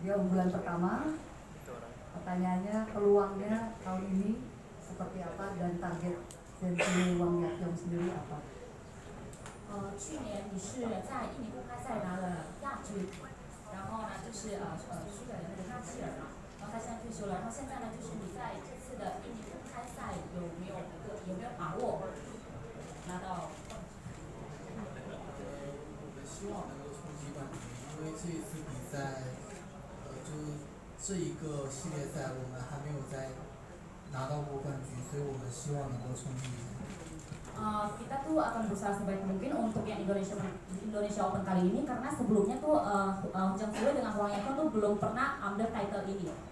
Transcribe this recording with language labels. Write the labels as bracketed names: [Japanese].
[Indonesian] bulan pertama. Pertanyaannya, peluangnya tahun ini seperti apa dan target sensi Wang Yakyong sendiri apa? [Chinese] 去年你是在印尼公开赛拿了亚军，然后呢就是输给了那个纳吉尔嘛，然后他现在退休了，然后现在呢就是你在这次的印尼公开赛有没有一个把握拿到冠军？希望能够冲击冠军，因为这一次比赛就这一个系列赛我们还没有再拿到过冠军，所以我们希望能够冲击。 [Indonesian] Kita tuh akan berusaha sebaik mungkin untuk yang Indonesia Indonesia Open kali ini karena sebelumnya tuh Jang Sui dengan Wang Yakyong tuh belum pernah ambil title ini.